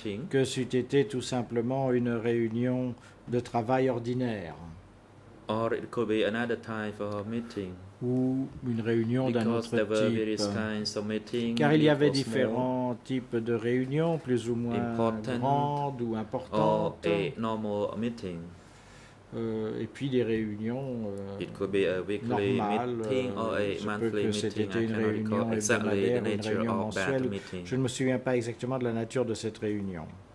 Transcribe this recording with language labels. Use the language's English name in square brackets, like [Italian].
[French] Que c'eût été tout simplement une réunion de travail ordinaire. [English] Or it could be another type of meeting. [French] Ou une réunion d'un autre type. Car il y avait différents types de réunions, plus ou moins grandes ou importantes. [English] Or a normal meeting. [French] Et puis des réunions [English] it could be a weekly meeting or a monthly meeting. I cannot recall exactly the nature of that meeting. [French] Je ne me souviens pas exactement de la nature de cette réunion.